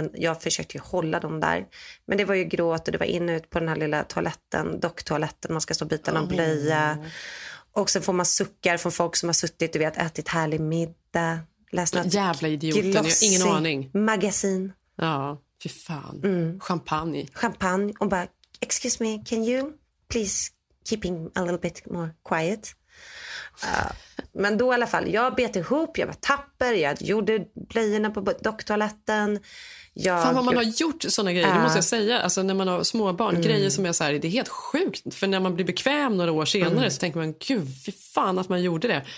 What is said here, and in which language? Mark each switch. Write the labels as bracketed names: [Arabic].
[Swedish] Men jag försökte ju hålla dem där. Men det var ju gråt och det var in och ut på den här lilla toaletten. Docktoaletten. Man ska stå och byta någon blöja. Och sen får man suckar från folk som har suttit och vet, ätit härlig middag. Jävla idioten, jag har ingen aning. Magasin. Ja, fy fan. Mm. Champagne. Champagne. Och bara, [English] excuse me, can you please keeping a little bit more quiet? [Swedish] Men då i alla fall, jag bet ihop, jag var tapper, jag gjorde blöjorna på docktoaletten. Jag... Fan vad man har gjort såna grejer, det måste jag säga. Alltså när man har småbarn, grejer som är så här, det är helt sjukt. För när man blir bekväm några år senare så tänker man, gud, fy fan att man gjorde det.